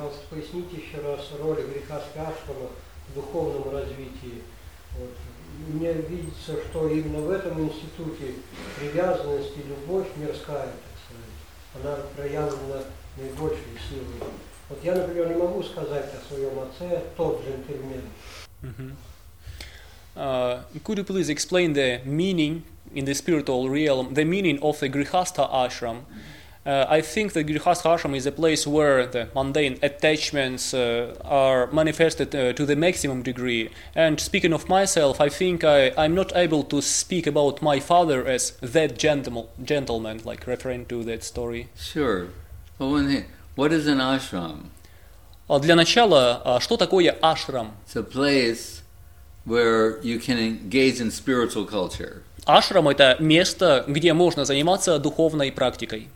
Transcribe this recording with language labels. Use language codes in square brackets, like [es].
[ru] Поясните еще раз роль греха с кашками в духовном развитии. Вот. Мне видится, что именно в этом институте привязанность и любовь мирская, так сказать, она проявлена наибольшей силой. Вот я, например, не могу сказать о своем отце, тот джентльмен. [en] Could you please explain the meaning in the spiritual realm, the meaning of the grihastha ashram? I think that grihastha ashram is a place where the mundane attachments are manifested to the maximum degree. And speaking of myself, I think I'm not able to speak about my father as that gentleman, like referring to that story. Sure. Well, what is an ashram? [ru] Для начала, что такое ашрам? [en] It's a place where you can engage in spiritual culture. [ru] Ашрам – это место, где можно заниматься духовной практикой.